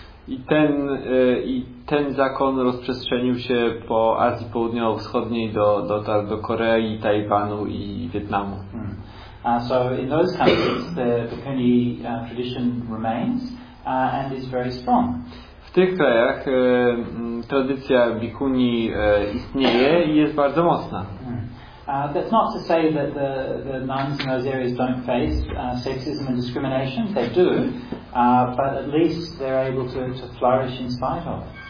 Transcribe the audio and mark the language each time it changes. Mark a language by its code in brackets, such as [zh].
[pl] I ten zakon rozprzestrzenił się po Azji Południowo-Wschodniej do Korei, Tajwanu i Wietnamu. [en] So in those countries the Kuni tradition remains and is very strong. [pl] W tych krajach tradycja bikuni istnieje i jest bardzo mocna. [en] That's not to say that the nuns in those areas don't face sexism and discrimination. They do, but at least they're able to flourish in spite of.